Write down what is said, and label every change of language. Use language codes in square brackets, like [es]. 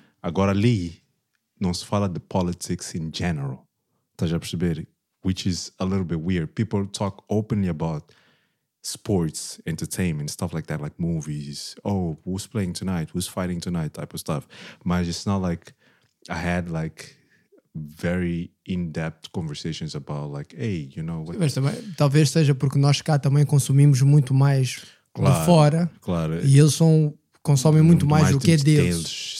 [pt] Agora ali, não se fala de [en] politics in general. [pt] Estás a perceber? [en] Which is a little bit weird. People talk openly about sports, entertainment, stuff like that, like movies. Oh, who's playing tonight? Who's fighting tonight? Type of stuff. But it's not like I had like very in-depth conversations about like, hey, you know. What... [pt] Mas também, talvez seja porque nós cá também consumimos muito mais de fora. Claro. E eles consomem muito mais do que é deles.